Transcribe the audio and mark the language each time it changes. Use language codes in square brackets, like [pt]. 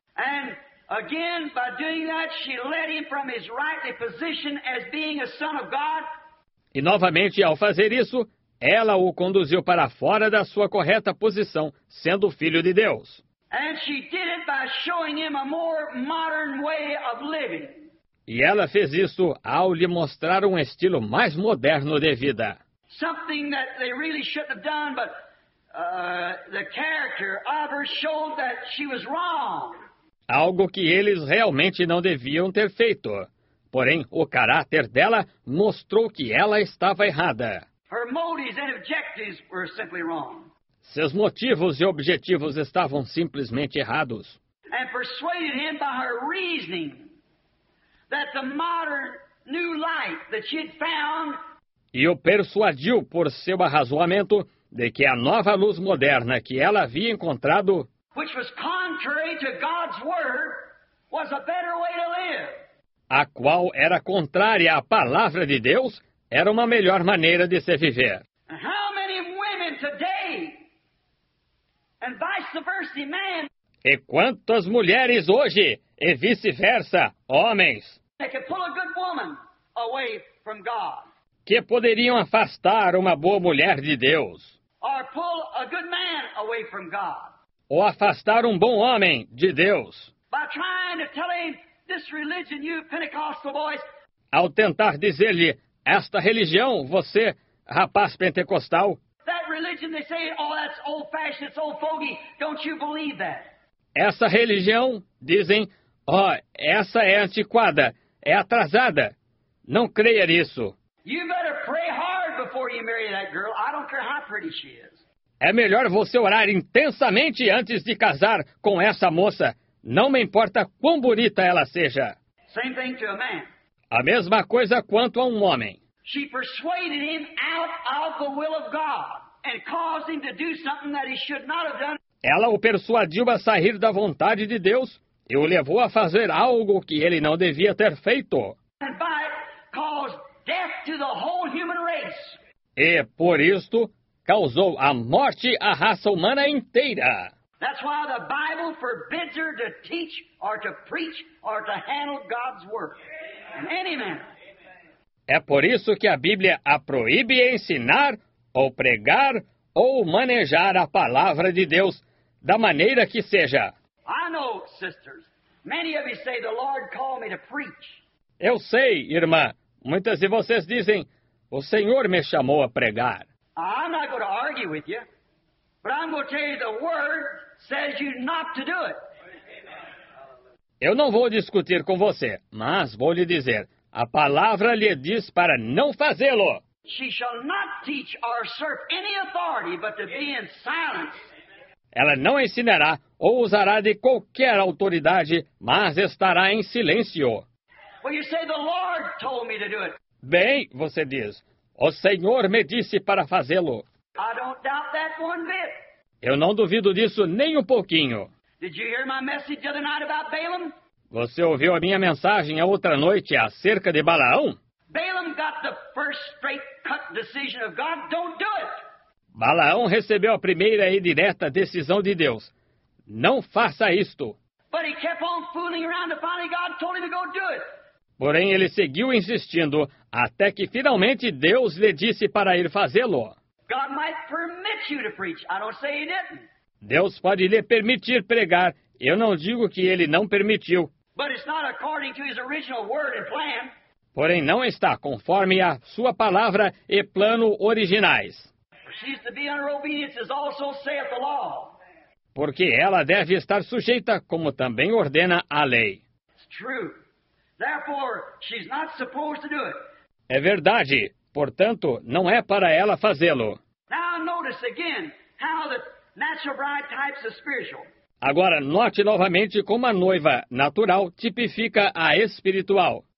[en] And again, by doing that, she led him from his rightful position as being a son of God. [pt] E novamente, ao fazer isso, ela o conduziu para fora da sua correta posição, sendo filho de Deus. [en] And she did it by showing him a more modern way of living. [pt] E ela fez isso ao lhe mostrar um estilo mais moderno de vida. [en] Something that they really shouldn't have done, but the character of her showed that she was wrong. [pt] Algo que eles realmente não deviam ter feito. Porém, o caráter dela mostrou que ela estava errada. [en] Her motives and objectives were simply wrong. [pt] Seus motivos e objetivos estavam simplesmente errados. [en] And persuaded him by her reasoning that the modern new life that she had found. [pt] E o persuadiu por seu arrazoamento de que a nova luz moderna que ela havia encontrado, [en] which was contrary to God's word, was a better way to live. [pt] A qual era contrária à palavra de Deus, era uma melhor maneira de se viver. [en] How many women today, and vice versa, men, [pt] e quantas mulheres hoje, e vice-versa, homens, [en] they can pull a good woman away from God, [pt] que poderiam afastar uma boa mulher de Deus, [en] or pull a good man away from God, [pt] ou afastar um bom homem de Deus, [en] by trying to tell him, this religion, you Pentecostal boys, [pt] ao tentar dizer-lhe, esta religião, você, rapaz pentecostal, [en] that religion, they say, oh, that's old-fashioned, it's old fogey, don't you believe that? [pt] Essa religião, dizem, oh, essa é antiquada, é atrasada, não creia nisso. [en] You better pray hard before you marry that girl, I don't care how pretty she is. [pt] É melhor você orar intensamente antes de casar com essa moça. Não me importa quão bonita ela seja. [en] Same thing to a man. [pt] A mesma coisa quanto a um homem. [en] She persuaded him out of the will of God and caused him to do something that he should not have done. [pt] Ela o persuadiu a sair da vontade de Deus e o levou a fazer algo que ele não devia ter feito. [en] And by it caused death to the whole human race. [pt] E por isto causou a morte à raça humana inteira. [en] That's why the Bible forbids her to teach or to preach or to handle God's word. Any man. [pt] É por isso que a Bíblia a proíbe ensinar, ou pregar, ou manejar a palavra de Deus, da maneira que seja. [en] I know, sisters, many of you say the Lord called me to preach. [pt] Eu sei, irmã, muitas de vocês dizem, o Senhor me chamou a pregar. [en] I'm not going to argue with you, but I'm going to tell you the word says you not to do it. [pt] Eu não vou discutir com você, mas vou lhe dizer, a palavra lhe diz para não fazê-lo. [en] She shall not teach or usurp any authority but to be in silence. [pt] Ela não ensinará ou usará de qualquer autoridade, mas estará em silêncio. [en] Well, you say the Lord told me to do it. [pt] Bem, você diz, o Senhor me disse para fazê-lo. [en] I don't doubt that one bit. [pt] Eu não duvido disso nem um pouquinho. [en] Did you hear my message the other night about Balaam? [pt] Você ouviu a minha mensagem a outra noite acerca de Balaão? [en] Balaam got the first straight cut decision of God. Don't do it. [pt] Balaão recebeu a primeira e direta decisão de Deus. Não faça isto. [en] But he kept on fooling around and finally God told him to go do it. [pt] Porém, ele seguiu insistindo até que finalmente Deus lhe disse para ir fazê-lo. [en] God might permit you to preach. I don't say he didn't. [pt] Deus pode lhe permitir pregar. Eu não digo que ele não permitiu. [en] But it's not according to his original word and plan. [pt] Porém, não está conforme a sua palavra e plano originais. [en] She's to be under obedience as also saith the law. [pt] Porque ela deve estar sujeita, como também ordena a lei. [en] It's true. Therefore, she's not supposed to do it. [pt] É verdade. Portanto, não é para ela fazê-lo. [en] Now notice again how the natural bride types are spiritual. [pt] Agora, note novamente como a noiva natural tipifica a espiritual.